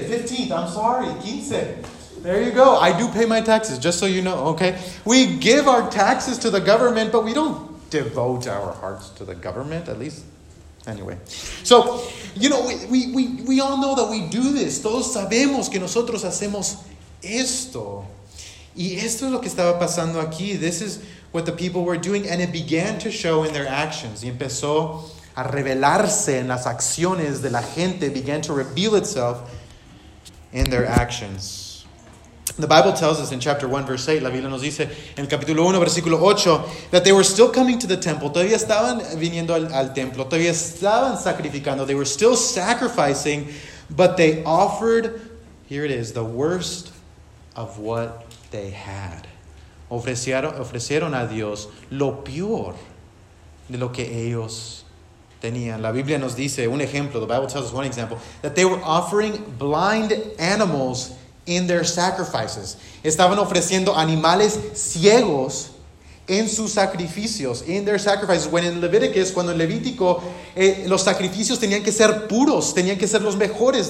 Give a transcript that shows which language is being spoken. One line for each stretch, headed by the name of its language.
English: 15th, I'm sorry. 15. There you go. I do pay my taxes, just so you know, okay? We give our taxes to the government, but we don't devote our hearts to the government, at least. Anyway, so, you know, we all know that we do this.
Spanish: Todos sabemos que nosotros hacemos esto. Y esto es lo que estaba pasando aquí.
English: This is what the people were doing, and it began to show in their actions.
Spanish: Y empezó a revelarse en las acciones de la gente.
English: It began to reveal itself in their actions. The Bible tells us in chapter 1, verse 8,
Spanish: la Biblia nos dice en el capítulo 1, versículo 8,
English: that they were still coming to the temple.
Spanish: Todavía estaban viniendo al templo. Todavía estaban sacrificando.
English: They were still sacrificing, but they offered, here it is, the worst of what they had.
Spanish: Ofrecieron a Dios lo peor de lo que ellos tenían. La Biblia nos dice un ejemplo,
English: the Bible tells us one example, that they were offering blind animals in their sacrifices.
Spanish: Estaban ofreciendo animales ciegos en sus sacrificios,
English: in their sacrifices. When in Leviticus,
Spanish: cuando en Levítico, los sacrificios tenían que ser puros, tenían que ser los mejores.